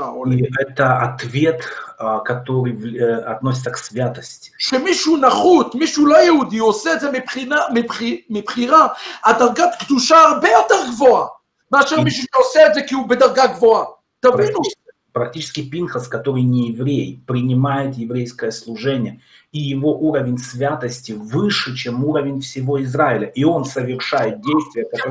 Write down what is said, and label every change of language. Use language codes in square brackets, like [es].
[ru] И это ответ, который относится к святости. [he] שמישהו נחות, מישהו לא יהודי, עושה את זה מבחירה, הדרגת קדושה הרבה יותר גבוהה, מאשר מישהו שעושה את זה כי הוא בדרגה גבוהה. תבינו. [ru] Практически Пинхас, который не еврей, принимает еврейское служение, и его уровень святости выше, чем уровень всего Израиля, и он совершает действия,